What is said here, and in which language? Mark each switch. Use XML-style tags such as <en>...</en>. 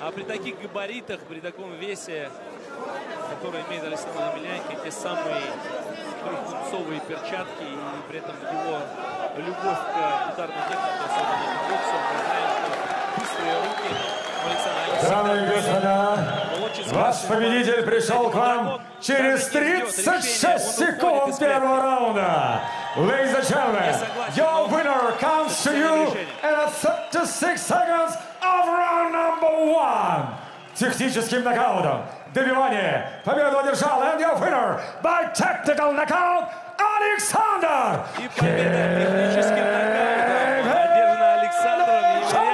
<ru>А при таких габаритах, при таком весе, который имеет Александр Емельяненко, те самые трехпунцовые перчатки, и при этом его любовь к ударной технике, особенно к боксу, мы знаем, что быстрые руки у Александра Емельяненко. Ваш победитель пришел к вам через 36 секунд первого раунда.</ru> <en>Ladies and gentlemen, your winner comes to you in 36 seconds of round number one.</en> <ru>Техническим нокаутом. Добивание. Победу одержал.</ru> <en>And your winner by technical knockout, Александр.</en> <ru>И победа техническим нокаутом одержана Александром.</ru>